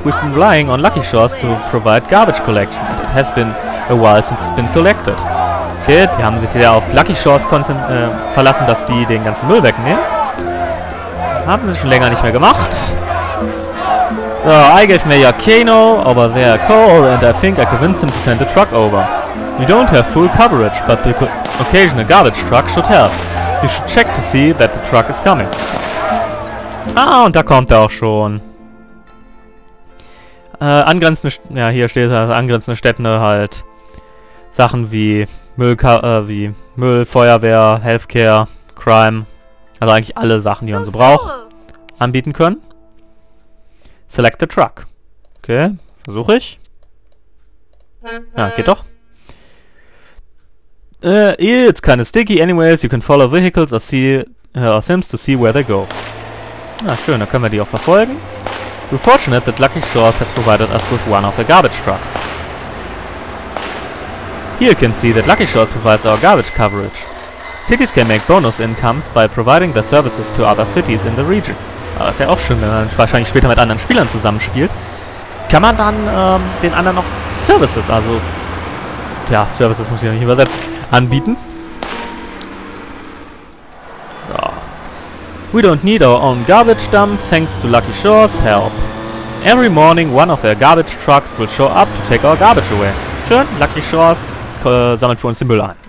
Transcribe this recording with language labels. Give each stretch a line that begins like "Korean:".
English: We've been relying on Lucky Shores to provide garbage collection. It has been a while since it's been collected.
German: Okay, die haben sich wieder auf Lucky Shores verlassen, dass die den ganzen Müll wegnehmen. Haben sie schon länger nicht mehr gemacht.
English: So, I gave Mayor Kano over there coal and I think I convinced him to send a truck over. We don't have full coverage, but the occasional garbage truck should help. You should check to see that the truck is coming.
German: Ah, und da kommt er auch schon. Angrenzende Städte halt. Sachen wie Müll, Feuerwehr, Healthcare, Crime. Also eigentlich alle Sachen, die man so braucht, anbieten können.
English: Select the truck.
German: Okay, versuche ich. Ja, geht doch.
English: It's kind of sticky. Anyways, you can follow vehicles or see Sims to see where they go.
German: Na schön, dann können wir die auch verfolgen.
English: We're fortunate that Lucky Shores has provided us with one of the garbage trucks. Here you can see that Lucky Shores provides our garbage coverage. Cities can make bonus incomes by providing their services to other cities in the region.
German: Aber ist ja auch schön, wenn man wahrscheinlich später mit anderen Spielern zusammenspielt. Kann man dann den anderen noch Services, also... Tja, Services muss ich ja nicht übersetzen, anbieten. So.
English: We don't need our own garbage dump, thanks to Lucky Shores help. Every morning one of their garbage trucks will show up to take our garbage away.
German: Schön, Lucky Shores sammelt für uns den Müll ein.